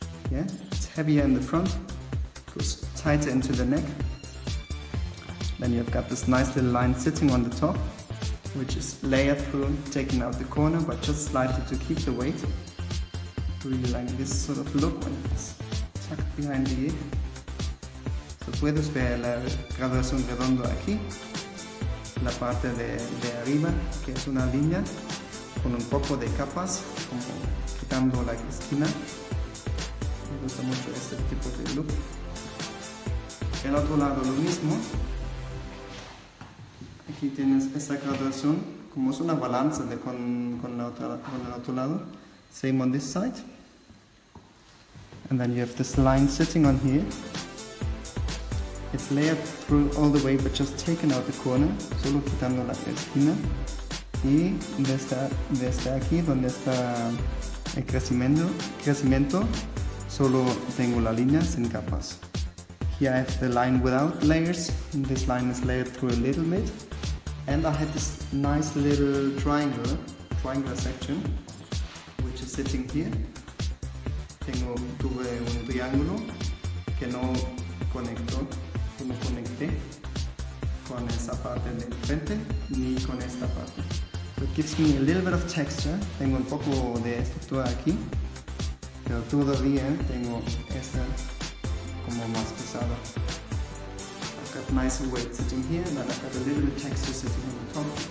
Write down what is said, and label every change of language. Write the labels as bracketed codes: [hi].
[en] Yeah, it's heavier in the front, goes tighter into the neck. Then you've got this nice little line sitting on the top, which is layered through, taking out the corner, but just slightly to keep the weight. Really like this sort of look when it's tucked behind the ear. [es] Puedes ver la graduación redondo aquí, la parte de arriba, que es una línea con un poco de capas, como quitando la esquina. Me gusta mucho este tipo de look. El otro lado lo mismo. Aquí tienes esa graduación, como es una balanza de con el otro lado. [en] Same on this side. And then you have this line sitting on here. It's layered through all the way, but just taken out the corner, [es] solo quitando la esquina. Y desde aquí, donde está el crecimiento, solo tengo la línea sin capas. [en] Here I have the line without layers. This line is layered through a little bit. And I had this nice little triangular section, which is sitting here. [es] Tuve un triángulo que no conecto. No conecté con esa parte del frente ni con esta parte. [en] So it gives me a little bit of texture. [es] Tengo un poco de estructura aquí, pero todavía tengo esta como más pesada. [en] I've got nice weight sitting here, and I've got a little bit of texture sitting on the top.